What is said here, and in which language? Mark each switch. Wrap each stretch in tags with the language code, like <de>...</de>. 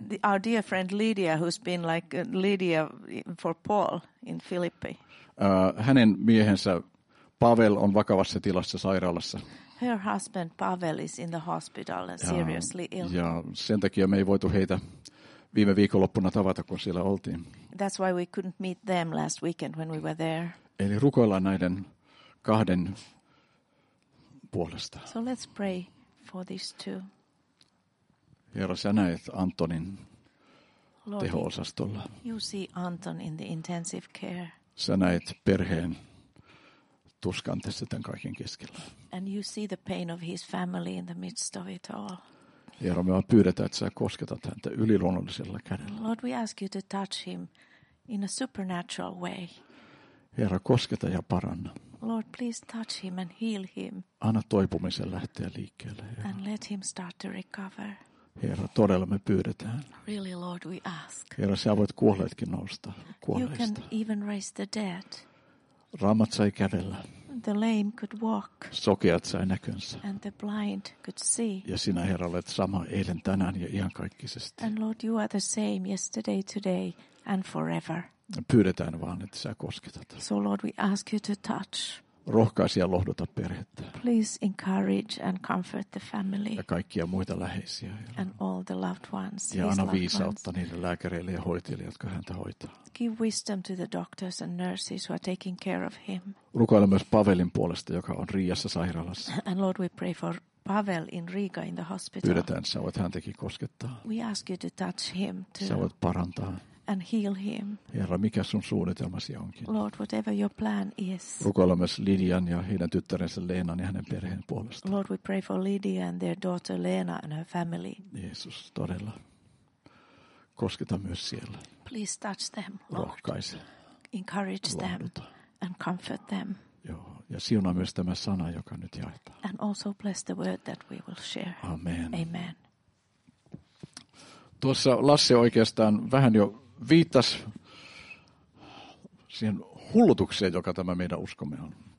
<en>Our dear friend Lydia, who's been like Lydia for Paul in Philippi.</en> <fi>Hänen miehensä Pavel on vakavassa tilassa sairaalassa.</fi> <en>Her husband Pavel is in the hospital and seriously ill.</en> <fi>Ja sen takia me ei voitu heitä viime viikonloppuna tavata, kun siellä oltiin.</fi> <en>That's why we couldn't meet them last weekend when we were there.</en> <fi>Eli rukoillaan näiden kahden puolesta.</fi> <en>So let's pray for these two.</en> <fi>Herra, sä näet Antonin teho-osastolla.</fi> <en>You see Anton in the intensive care.</en> <fi>Sä näet perheen tuskan tässä tämän kaiken keskellä.</fi> <en>And you see the pain of his family in the midst of it all.</en> <fi>Herra, me vaan pyydetään, että sä kosketat häntä yliluonnollisella kädellä.</fi> <en>Lord, we ask you to touch him in a supernatural way.</en> <fi>Herra, kosketa ja paranna.</fi> <en>Lord, please touch him and heal him.</en> <fi>Anna toipumisen lähteä liikkeelle. Herra.</fi> <en>And let him start to recover.</en> <fi>Herra, todella me pyydetään.</fi> <en>Really, Lord, we ask.</en> <fi>Herra, sä voit kuolleetkin nousta kuolleista.</fi> <en>You can even raise the dead.</en> <fi>Rammat sai kävellä.</fi> <en>The lame could walk.</en> <fi>Sokeat sai näkönsä.</fi> <en>And the blind could see.</en> <fi>Ja sinä, Herra, olet sama eilen, tänään ja iankaikkisesti.</fi> <en>And Lord, you are the same yesterday, today and forever.</en> <fi>Pyydetään vaan, että sä kosketat.</fi> <en>So Lord, we ask you to touch.</en> <fi>Rohkaisi ja lohduta perhettä.</fi> <en>Please encourage and comfort the family.</en> <fi>Ja kaikkia muita läheisiä.</fi> <en>And all the loved ones.</en> <fi>Ja anna viisautta niille lääkäreille ja hoitajille, jotka häntä hoitaa.</fi> <en>Give wisdom to the doctors and nurses who are taking care of him.</en> <fi>Rukoile myös Pavelin puolesta, joka on Riassa sairaalassa.</fi> <en>And Lord, we pray for Pavel in Riga in the hospital.</en> <fi>Pyydetään, sä voit häntäkin koskettaa.</fi> <en>We ask you to touch him too.</en> <fi>Sä voit parantaa.</fi> <en>And heal him.</en> <fi>Herra, mikä sun suunnitelmasi onkin?</fi> <en>Lord, whatever your plan is.</en> <fi>Rukoilla myös Lydian ja heidän tyttärensä Leenan ja hänen perheen puolesta.</fi> <en>Lord, we pray for Lydia and their daughter Leena and her family.</en> <fi>Jeesus, todella. Kosketa myös siellä.</fi> <en>Please touch them, Lord.</en> <fi>Rohkaise.</fi> <en>Encourage them. And comfort them.</en> <fi>Joo, ja siunaa myös tämä sana, joka nyt jaetaan.</fi> <en>And also bless the word that we will share. Amen. Amen.</en> <fi>Tuossa Lasse oikeastaan vähän jo viittas siihen hullutukseen, joka tämä meidän uskomme on.</fi>